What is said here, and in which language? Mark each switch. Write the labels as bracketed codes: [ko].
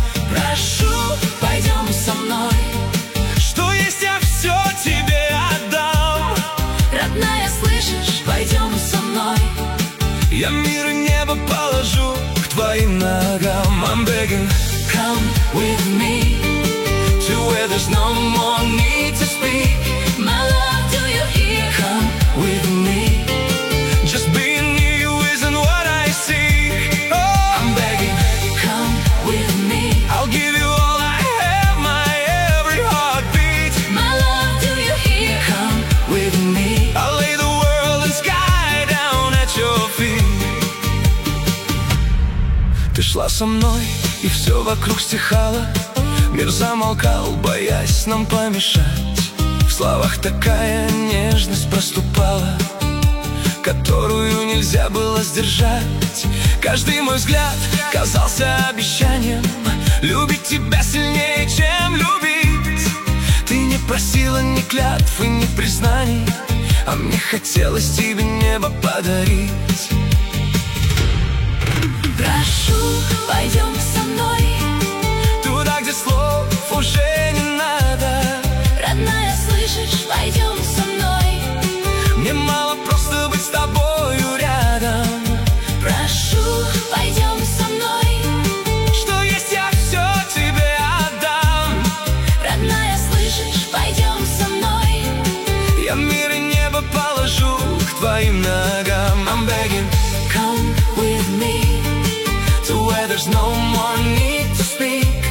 [ru] Прошу, пойдем со мной. Что есть, я все тебе отдам. Родная, слышишь, пойдем со мной. Я мир и небо положу к твоим ногам. [en] I'm begging, come with me. Where there's no more need to speak. My love, do you hear? Come with me. Just being near you isn't what I see. Oh, I'm begging, come with me. I'll give you all I have, my every heartbeat. My love, do you hear? Come with me. I'll lay the world and sky down at your feet. [ru] Ты шла со мной, и все вокруг стихало. Мир замолкал, боясь нам помешать. В словах такая нежность проступала, которую нельзя было сдержать. Каждый мой взгляд казался обещанием любить тебя сильнее, чем любить. Ты не просила ни клятв и ни признаний, а мне хотелось тебе небо подарить. Прошу, пойдем со мной туда, где слов уже не надо. Родная, слышишь, пойдем со мной. Мне мало просто быть с тобою рядом. Прошу, пойдем со мной. Что есть, я все тебе отдам. Родная, слышишь, пойдем со мной. Я мир и небо положу к твоим ногам. [en] I'm begging, come with me to where there's no more need to speak.